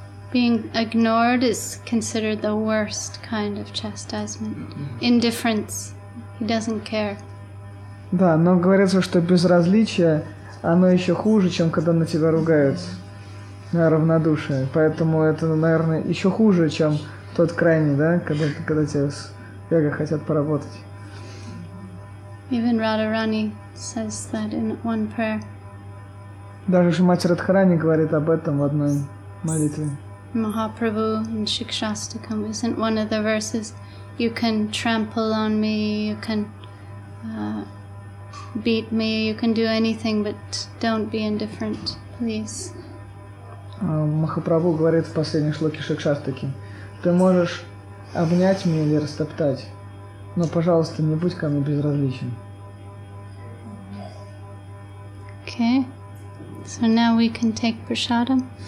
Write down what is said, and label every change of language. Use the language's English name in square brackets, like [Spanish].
[English] Being ignored is considered the worst kind of chastisement. Indifference. He doesn't care. [Russian] Да, но говорится, что безразличие, оно еще хуже, чем когда на тебя ругаются. Равнодушие. Поэтому это, наверное, еще хуже, чем тот крайний, да, когда тебя с эго хотят поработать. [English] Even Radharani says that in one prayer. [Russian] Даже Шримати Радхарани говорит об этом в одной молитве. [English] Mahaprabhu in Shikshastakam isn't one of the verses. You can trample on me, you can beat me, you can do anything, but don't be indifferent, please. [Russian] Махапрабху говорит в последней шлоке Шикшастаки: ты можешь обнять меня или растоптать, но, пожалуйста, не будь ко мне безразличен. [English] Okay. So now we can take prasadam.